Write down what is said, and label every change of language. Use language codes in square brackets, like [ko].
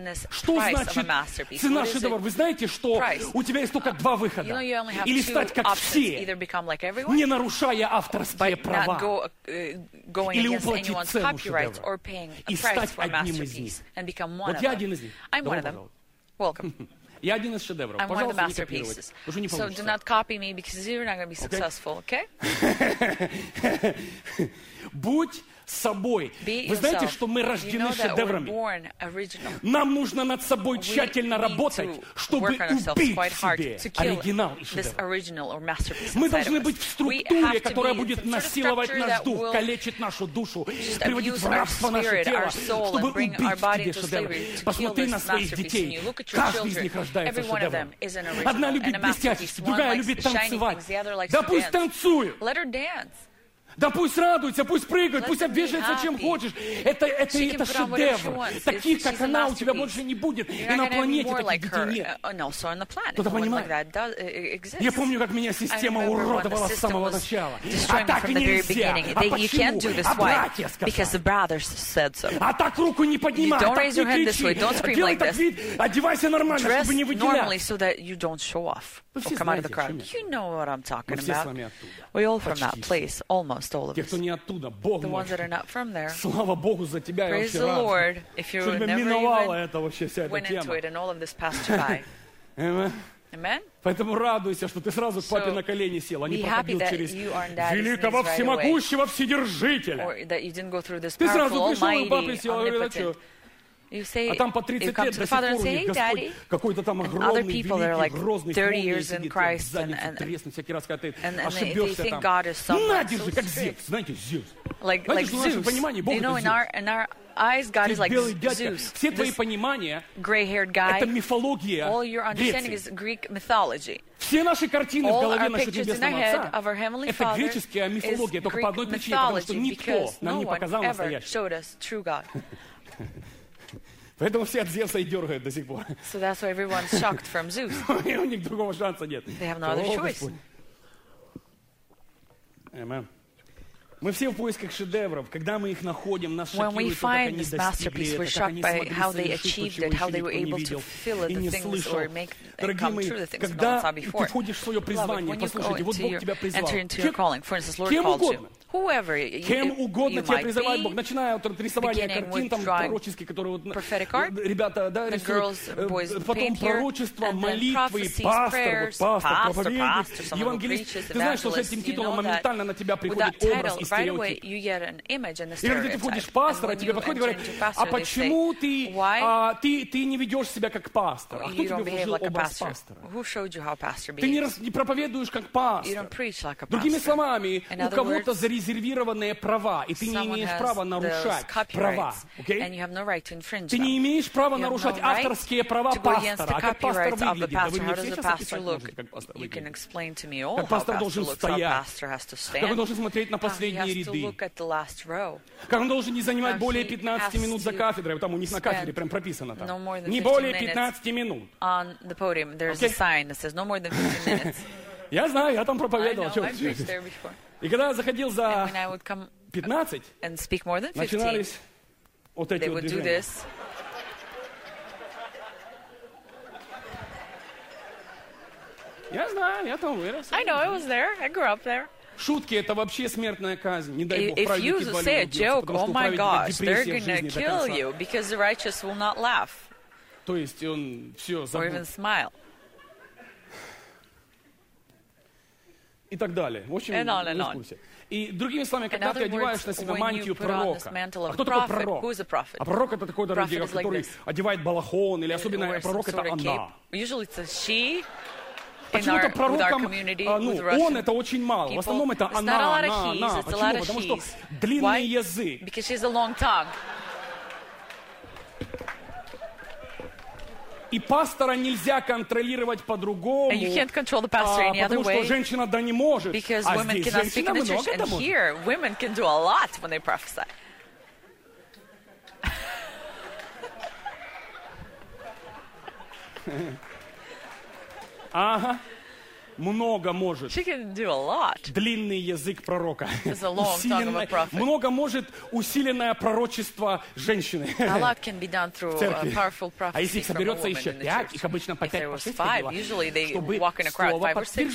[ru] Что значит цена шедевра? Вы знаете, что у тебя есть только два выхода. Или стать как все, не нарушая авторские права, или уплатить цену шедевра и стать одним из них. Вот я один из них. [en] Welcome. [ru] Я один из шедевров. [en] I'm [ru] пожалуйста, [en] one of the masterpieces. [ru] Не копируйте, потому что не [en] so [ru] получится. [en] Do not copy me because you're not going to be successful, okay? [ru] Будь собой. [en] Be [ru] вы знаете, что мы рождены шедеврами. Нам нужно над собой тщательно работать, чтобы убить себе оригинал и шедевр. Мы должны быть в структуре, которая будет насиловать наш дух, калечить нашу душу, приводить в рабство наше тело, чтобы убить себе шедевр. Посмотри на своих детей. Каждый из них рождается шедевром. Одна любит блестящий, другая любит танцевать. Да пусть танцует! Да пусть радуется, пусть прыгает, пусть обвешается чем хочешь. Это шедевр. Таких, как она, у тебя больше не будет. И на планете таких детей нет. Кто-то понимает? Я помню, как меня система уродовала с самого начала. А так нельзя. А почему? А братья сказали. А так руку не поднимай, а так не кричи. Делай так вид, одевайся нормально, чтобы не выделяться. [en] Or come out of the crowd. You know what I'm talking about. We all from that place, almost all of us. The ones that are not from there. Praise the Lord. If you never even went into it and all of this passed you by. Amen. [ru] Поэтому радуйся, что ты сразу к папе на колени сел, а не проходил через великого всемогущего вседержителя. Ты сразу пришел к папе и сел, говорил, а что? [en] You say, [ru] а там по 30 [en] you come [ru] лет [en] to the father and say, hey, daddy. [ru] Какой-то там огромный, великий, грозный, смолный сидит. Грозный, смолный сидит. Задницу треснуть всякий раз, когда ты ошибешься там. На, держи, как Зевс. Знаете, Зевс. Знаете, что в нашем понимании Бог это Зевс. [en] Eyes, God is like Zeus. [ru] Все твои понимания — [en] gray-haired guy, [ru] это мифология Греции. [en] All your understanding is Greek mythology. [ru] Все наши картины в голове нашего небесного Отца — это греческая мифология, только по одной причине, потому что никто нам не показал настоящего. Поэтому все от Зевса и дергают до сих пор. [en] So that's why everyone's shocked from Zeus. [ru] У них другого шанса нет. [en] They have no other choice. Amen. [ru] Мы все в поисках шедевров. Когда мы их находим, нас шокируют, как они достигли это, как они смогли совершить то, чего еще никто не видел и не слышал. Дорогие мои, когда ты входишь в свое призвание, послушайте, вот Бог тебя призвал. Кем угодно. Кем угодно тебя призывает Бог. Начиная от рисования картин, там, пророчески, которые вот, ребята да, рисуют. Потом пророчество, молитвы, пастор, вот, пастор, проповедник, евангелист. Ты знаешь, что с этим титулом моментально на тебя приходит образ. [en] Right away, you get an image and a stereotype. [ru] И когда ты входишь в пастора, тебе подходят и говорят, а почему ты не ведешь себя как пастор? А кто тебе вложил образ пастора? [en] Who showed you how pastor behaves? [ru] Ты не проповедуешь как пастор. [en] You don't preach like a pastor. [ru] Другими словами, у кого-то зарезервированные права, и ты не имеешь права нарушать права. [en] Okay? And you have no right to infringe them. [ru] Ты не имеешь права нарушать авторские права пастора. А как пастор выглядит? Да вы мне все сейчас описать можете, как пастор выглядит. [en] You can explain to me all how pastor looks, how pastor has to stand. [ru] Как вы должны смотреть на последние ряды. [en] Look at the last row. [ru] Как он должен не занимать более 15 минут за кафедрой? Там у них на кафедре прям прописано там. [en] No [ru] не более 15 минут. [en] On the podium there's okay. A sign that says no more than 15 minutes. [ru] Я знаю, я там проповедовал. [en] I've preached there before. [ru] И когда я заходил за 15, [en] and speak more than 15, [ru] начинались вот эти [en] they would [ru] вот движения. [en] Do this. [ru] Я знаю, я там вырос. [en] I know, I was there. I grew up there. [ru] Шутки — это вообще смертная казнь. Не дай бог, [en] if you say a joke, oh my gosh, they're going to kill you, because the righteous will not laugh. [ru] То есть он все забыл. [en] Or even smile. [ru] И так далее. В общем, [en] and on and on. [ru] И другими словами, когда ты одеваешь на себя мантию пророка, а кто такой пророк? [en] Who is a prophet? [ru] А пророк — это такой дорогий, который like одевает балахон, или особенно пророк — это она. [en] Usually it's a she. [ru] Почему-то пророком, он это очень мало. [en] People. [ru] В основном это она. Почему? Потому что длинный язык. [en] Because she's a long tongue. [ru] И пастора нельзя контролировать по-другому. [en] And you can't control the pastor any other way. [ru] Потому что женщина да не может. [en] Because women cannot speak in the church. And here, women can do a lot when they prophesy. [ru] Здесь Ага. Много может. [en] She can do a lot. [ru] Длинный язык пророка. [en] It's a long tongue of a prophet. [ru] Много может усиленное пророчество женщины. [en] A lot can be done through a powerful prophecy. [ru] А если их соберется еще пять, их обычно по пять, по шесть было. [en] Usually they walk in a crowd five or six.